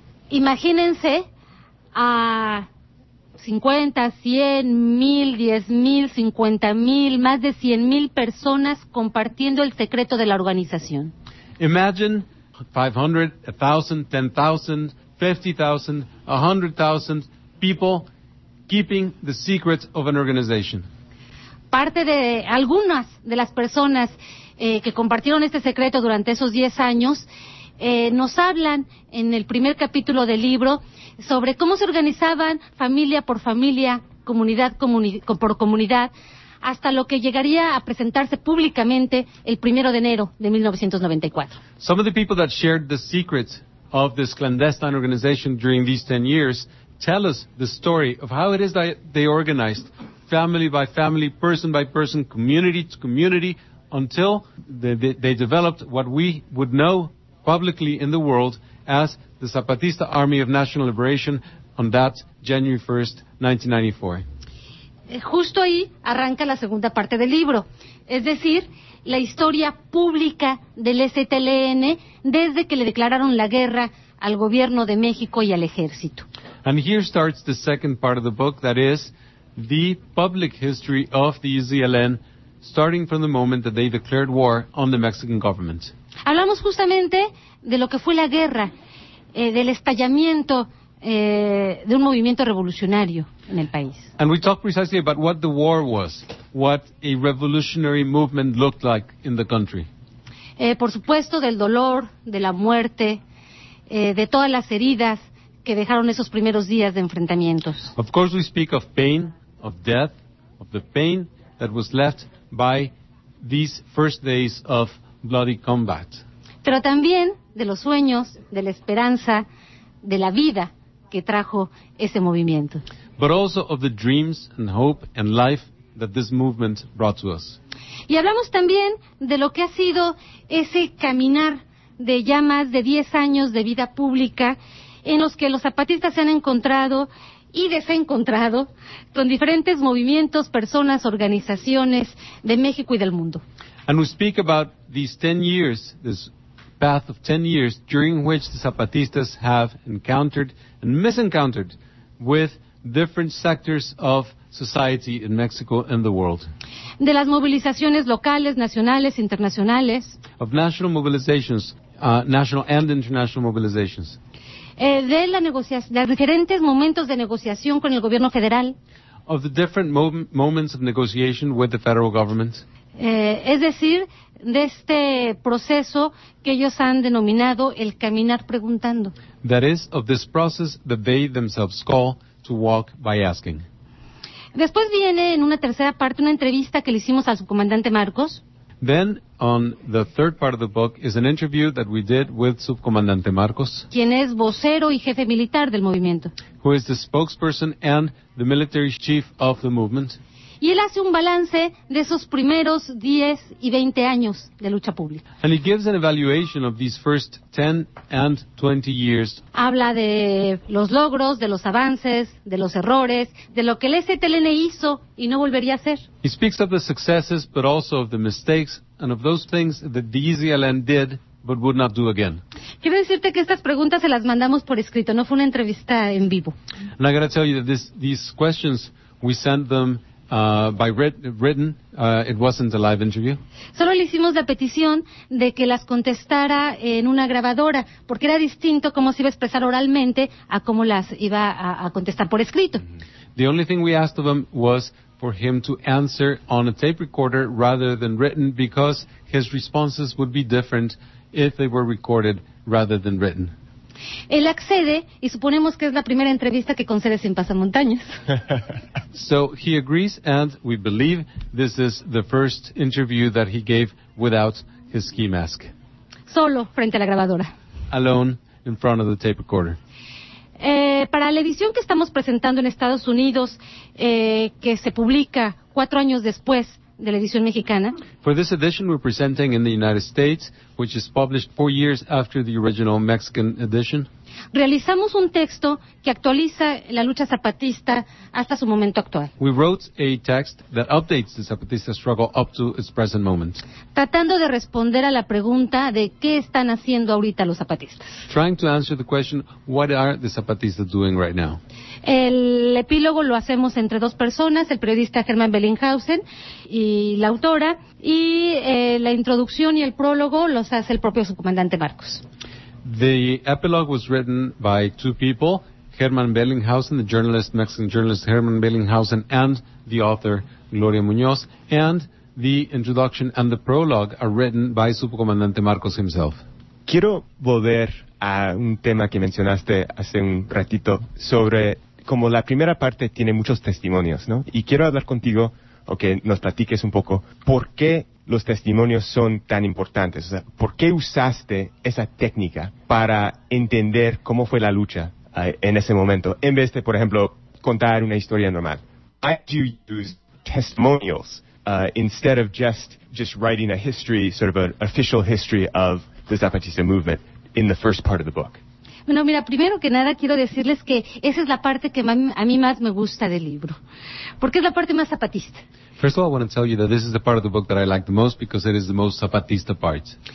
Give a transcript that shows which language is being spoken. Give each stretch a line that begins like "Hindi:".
Spanish: Imagínense a 50, 100, 1,000, 10,000, 50,000, más de 100,000 personas compartiendo el secreto de la organización.
English: Imagine 500, 1,000, 10,000, 50,000, 100,000 people keeping the secrets of an organization.
Spanish: Parte de algunas de las personas que compartieron este secreto durante esos 10 años nos hablan en el primer capítulo del libro sobre cómo se organizaban familia por familia, comunidad por comunidad, hasta lo que llegaría a presentarse públicamente el primero de enero de 1994.
English: Some of the people that shared the secrets of this clandestine organization during these 10 years tell us the story of how it is that they organized family by family, person by person, community to community, until they developed what we would know publicly in the world as the Zapatista Army of National Liberation on that January 1st, 1994.
Spanish: Justo ahí arranca la segunda parte del libro, es decir, la historia pública del EZLN desde que le declararon la guerra al gobierno de México y al ejército.
English: And here starts the second part of the book, that is the public history of the EZLN starting from the moment that they declared war on the Mexican government.
Spanish: Hablamos justamente de lo que fue la guerra, del estallamiento de un movimiento revolucionario en el país.
English: And we talk precisely about what the war was, what a revolutionary movement looked like in the country.
Spanish: Por supuesto, del dolor, de la muerte, de todas las heridas que dejaron esos primeros días de enfrentamientos.
English: Of course we speak of pain, of death, of the pain that was left by these first days of bloody combat.
Spanish: Pero también de los sueños, de la esperanza, de la vida que trajo ese movimiento.
English: But also of the dreams and hope and life that this movement brought to us.
Spanish: Y hablamos también de lo que ha sido ese caminar de ya más de 10 años de vida pública en los que los zapatistas se han encontrado y desencontrado con diferentes movimientos, personas, organizaciones de México y del mundo.
English: And we speak about these 10 years, this path of 10 years during which the zapatistas have encountered and misencountered with different sectors of society in Mexico and the world.
Spanish: De las movilizaciones locales, nacionales, internacionales.
English: Of national mobilizations, national and international mobilizations.
Spanish: De la negociación, de diferentes momentos de negociación con el gobierno federal.
English: Of the different moments of negotiation with the federal government.
Spanish: Es decir, de este proceso que ellos han denominado el caminar preguntando.
English: That is, of this process that they themselves call to walk by asking.
Spanish: Después viene en una tercera parte una entrevista que le hicimos al subcomandante Marcos.
English: Then, on the third part of the book, is an interview that we did with Subcomandante Marcos.
Spanish: Quien es vocero y jefe militar del movimiento.
English: Who is the spokesperson and the military chief of the movement.
Spanish: Y él hace un balance de esos primeros 10 y 20 años de lucha pública.
English: And he gives an evaluation of these first 10 and 20 years.
Spanish: Habla de los logros, de los avances, de los errores, de lo que el STLN hizo y no volvería a hacer.
English: He speaks of the successes, but also of the mistakes, and of those things that the ESLN did, but would not do again.
Spanish: Quiero decirte que estas preguntas se las mandamos por escrito, no fue una entrevista en vivo.
English: And I got to tell you that these questions, we sent them by written, it wasn't a live interview.
Spanish: Solo le hicimos la petición de que las contestara en una grabadora, porque era distinto cómo se iba a expresar oralmente a cómo las iba a contestar por escrito.
English: The only thing we asked of him was for him to answer on a tape recorder rather than written, because his responses would be different if they were recorded rather than written.
Spanish: Él accede y suponemos que es la primera entrevista que concede sin pasamontañas.
English: So he agrees and we believe this is the first interview that he gave without his ski mask.
Spanish: Solo frente a la grabadora.
English: Alone in front of the tape recorder.
Spanish: Para la edición que estamos presentando en Estados Unidos, que se publica 4 años después de la edición mexicana.
English: For this edition we're presenting in the United States, which is published 4 years after the original Mexican edition.
Spanish: Realizamos un texto que actualiza la lucha zapatista hasta su momento actual.
English: We wrote a text that updates the Zapatista struggle up to its present moment.
Spanish: Tratando de responder a la pregunta de qué están haciendo ahorita los zapatistas.
English: Trying to answer the question, what are the Zapatistas doing right now?
Spanish: El epílogo lo hacemos entre dos personas, el periodista Germán Bellinghausen y la autora, y la introducción y el prólogo los hace el propio subcomandante Marcos.
English: The epilogue was written by two people, Germán Bellinghausen, the journalist, Mexican journalist Germán Bellinghausen, and the author Gloria Muñoz, and the introduction and the prologue are written by subcomandante Marcos himself.
Spanish: Quiero volver a un tema que mencionaste hace un ratito sobre cómo la primera parte tiene muchos testimonios, ¿no? Y quiero hablar contigo, o que nos platiques un poco, ¿por qué los testimonios son tan importantes? O sea, ¿por qué usaste esa técnica para entender cómo fue la lucha en ese momento, en vez de, por ejemplo, contar una historia normal?
English: I do use testimonials instead of just writing a history, sort of an official history of the Zapatista movement in the first part of the book.
Spanish: Bueno, mira, primero que nada quiero decirles que esa es la parte que a mí más me gusta del libro, porque es la parte más zapatista.
English: First of all, I want to tell you that this is the part of the book that I like the most because it is the most zapatista part.